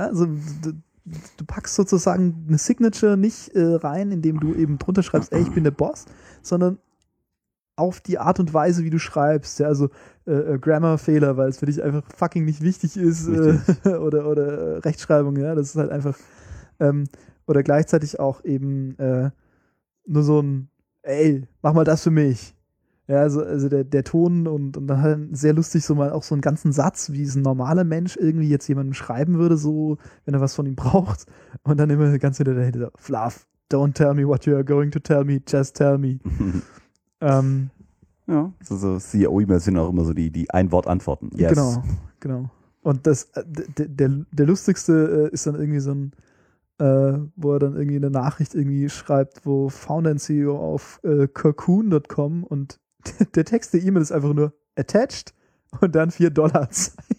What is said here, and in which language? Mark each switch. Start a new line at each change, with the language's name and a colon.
German: Also du packst sozusagen eine Signature nicht rein, indem du eben drunter schreibst, ey, ich bin der Boss, sondern auf die Art und Weise, wie du schreibst, ja, also Grammar-Fehler, weil es für dich einfach fucking nicht wichtig ist, oder Rechtschreibung, ja, das ist halt einfach, oder gleichzeitig auch eben nur so ein, ey, mach mal das für mich. Ja, also der Ton und dann halt sehr lustig so mal auch so einen ganzen Satz, wie es ein normaler Mensch irgendwie jetzt jemandem schreiben würde, so, wenn er was von ihm braucht. Und dann immer ganz wieder dahinter,
English: Fluff, don't tell me what you are going to tell me, just tell me.
German: ja, so CEO-E-Mails sind auch immer so die Ein-Wort-Antworten.
English: Yes.
German: Genau. Und das der lustigste ist dann irgendwie so ein, wo er dann irgendwie eine Nachricht irgendwie schreibt, wo Founder und CEO auf Cocoon.com und der Text der E-Mail ist einfach nur attached und dann $4